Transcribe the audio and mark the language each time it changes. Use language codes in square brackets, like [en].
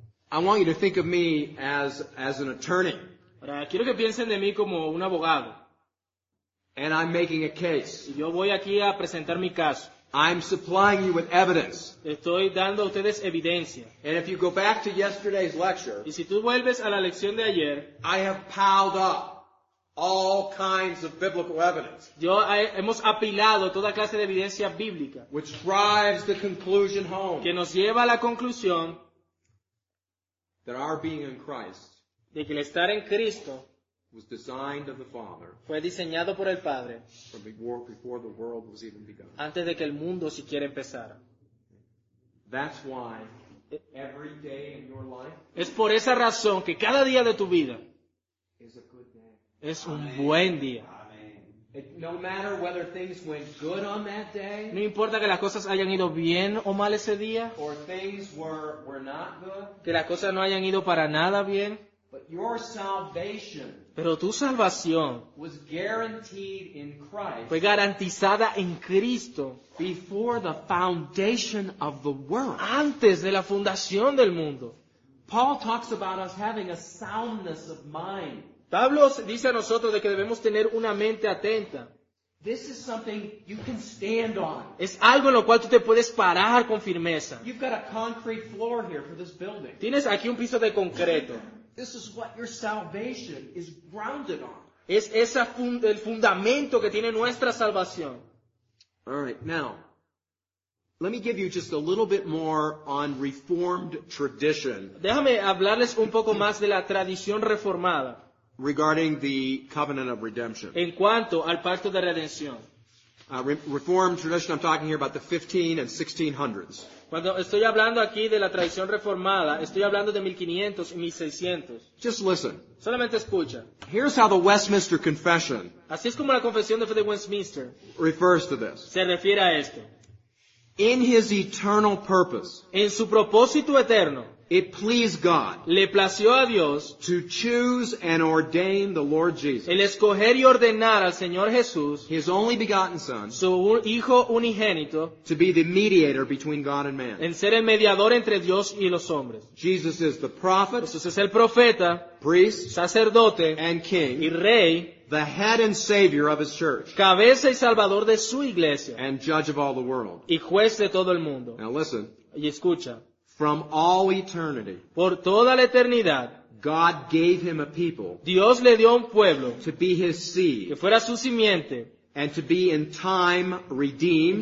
[en] I want you to think of me as an attorney. [es] Ahora, quiero que piensen de mí como un abogado. [en] And I'm making a case. [es] Y yo voy aquí a presentar mi caso. [en] I'm supplying you with evidence. [es] Estoy dando a ustedes evidencia. [en] And if you go back to yesterday's lecture, [es] y si tú vuelves a la lección de ayer, [en] I have piled up all kinds of biblical evidence. [es] Hemos apilado toda clase de evidencia bíblica. [en] Which drives the conclusion home. [es] Que nos lleva a la conclusión. [en] That our being in Christ. [es] de que el estar en Cristo [en] was designed of the Father, [es] fue diseñado por el Padre [en] before the world was even begun. [es] Antes de que el mundo siquiera empezara. [en] That's why every day in your life, [es] es por esa razón que cada día de tu vida [en] is a good day. [es] Es un Amen. Buen día. [en] No matter whether things went good on that day, [es] no importa que las cosas hayan ido bien o mal ese día, [en] or things were not good, [es] que las cosas no hayan ido para nada bien, [en] but your salvation, [es] pero tu salvación [en] was guaranteed in Christ, [es] fue garantizada en Cristo [en] before the foundation of the world, [es] antes de la fundación del mundo. [en] Paul talks about us having a soundness of mind. [es] Pablo dice a nosotros de que debemos tener una mente atenta. [en] This is something you can stand on. [es] Es algo en lo cual tú te puedes parar con firmeza. [en] You've got a concrete floor here for this building. [es] Tienes aquí un piso de concreto. [en] This is what your salvation is grounded on. [es] Es esa el fundamento que tiene nuestra salvación. [en] All right, now, let me give you just a little bit more on Reformed tradition. [es] Déjame hablarles un poco más de la tradición reformada. [en] Regarding the covenant of redemption. [es] En cuanto al pacto de redención. [en] Reformed tradition, I'm talking here about the 15 and 1600s. [es] Cuando estoy hablando aquí de la tradición reformada, estoy hablando de 1500 y 1600. [en] Just listen. [es] Solamente escucha. [en] Here's how the Westminster Confession, [es] así es como la confesión de fe de Westminster, [en] refers to this. [es] Se refiere a esto. [en] In his eternal purpose, [es] en su propósito eterno, [en] it pleased God, [es] le plació a Dios, [en] to choose and ordain the Lord Jesus, [es] el escoger y ordenar al Señor Jesús, [en] his only begotten Son, [es] su hijo unigénito, [en] to be the mediator between God and man, [es] en ser el mediador entre Dios y los hombres. [en] Jesus is the prophet, [es] Jesús es el profeta, [en] priest, [es] sacerdote, [en] and king, [es] y rey, [en] the head and savior of his church, [es] cabeza y salvador de su iglesia, [en] and judge of all the world, [es] y juez de todo el mundo. [en] Now listen. [es] Y escucha. [en] From all eternity, [es] por toda la eternidad, [en] God gave him a people, [es] Dios le dio un pueblo, [en] to be his seed, [es] que fuera su simiente, [en] and to be in time redeemed,